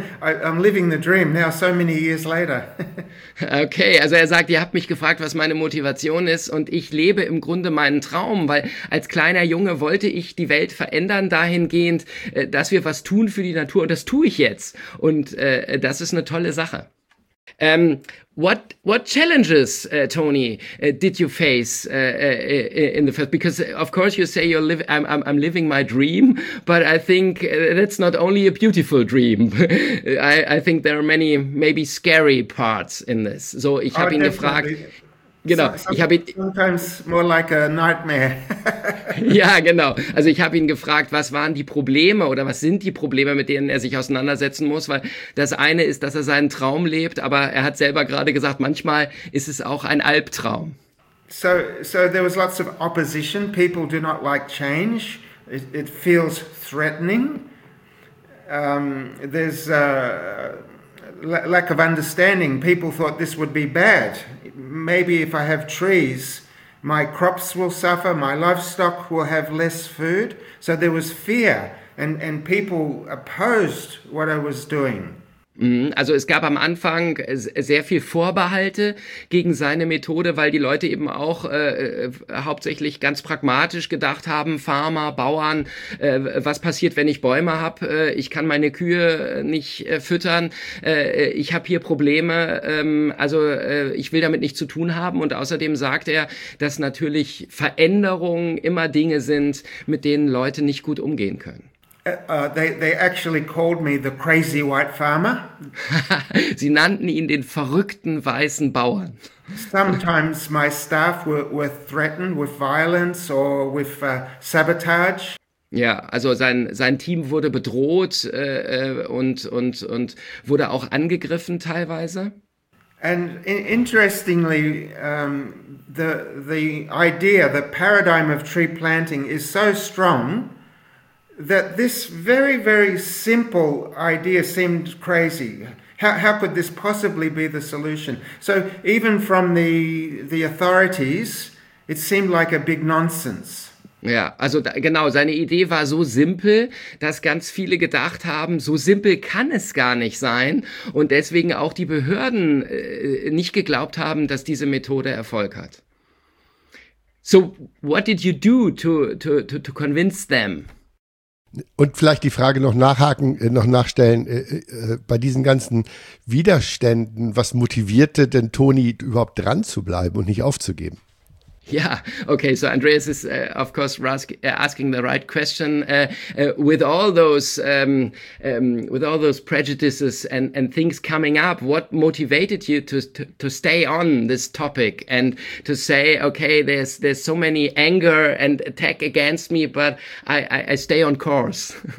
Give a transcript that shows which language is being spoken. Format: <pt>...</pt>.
<en>I'm living the dream now so many years later.</en> <de>Okay, also er sagt, ihr habt mich gefragt, was meine Motivation ist und ich lebe im Grunde meinen Traum, weil als kleiner Junge wollte ich die Welt verändern dahingehend, dass wir was tun für die Natur und das tue ich jetzt und das ist eine tolle Sache.</de> <en>What challenges, Tony, did you face in the first? Because of course you say I'm living my dream, but I think that's not only a beautiful dream. I think there are many maybe scary parts in this.</en> <de>So ich habe ihn gefragt. Genau. Ich habe ihn.</de> <en>Sometimes more like a nightmare.</en> <de>Ja, genau. Also ich habe ihn gefragt, was waren die Probleme oder was sind die Probleme, mit denen er sich auseinandersetzen muss, weil das eine ist, dass er seinen Traum lebt, aber er hat selber gerade gesagt, manchmal ist es auch ein Albtraum.</de> <en>So there was lots of opposition. People do not like change. It feels threatening. There's a lack of understanding. People thought this would be bad. Maybe if I have trees, my crops will suffer, my livestock will have less food. So there was fear and people opposed what I was doing.</en> <de>Also es gab am Anfang sehr viel Vorbehalte gegen seine Methode, weil die Leute eben auch hauptsächlich ganz pragmatisch gedacht haben, Farmer, Bauern, was passiert, wenn ich Bäume habe? Ich kann meine Kühe nicht füttern, ich habe hier Probleme, ich will damit nichts zu tun haben. Und außerdem sagt er, dass natürlich Veränderungen immer Dinge sind, mit denen Leute nicht gut umgehen können.</de> <en>They actually called me the crazy white farmer.</en> <de>Sie nannten ihn den verrückten weißen Bauern.</de> <en>Sometimes my staff were threatened with violence or with sabotage.</en> <de>Ja, also sein Team wurde bedroht und wurde auch angegriffen teilweise.</de> <en>And interestingly, the idea, the paradigm of tree planting is so strong that this very, very simple idea seemed crazy. How could this possibly be the solution? So even from the authorities, it seemed like a big nonsense.</en> <de>Ja, also da, genau, seine Idee war so simpel, dass ganz viele gedacht haben, so simpel kann es gar nicht sein und deswegen auch die Behörden nicht geglaubt haben, dass diese Methode Erfolg hat.</de> <en>So what did you do to convince them?</en> <de>Und vielleicht die Frage noch nachhaken, noch nachstellen, bei diesen ganzen Widerständen, was motivierte denn Tony überhaupt dran zu bleiben und nicht aufzugeben?</de> <en>Yeah, okay, so Andreas is of course asking the right question. With all those prejudices and things coming up, what motivated you to stay on this topic and to say, okay, there's so many anger and attack against me, but I stay on course?</en>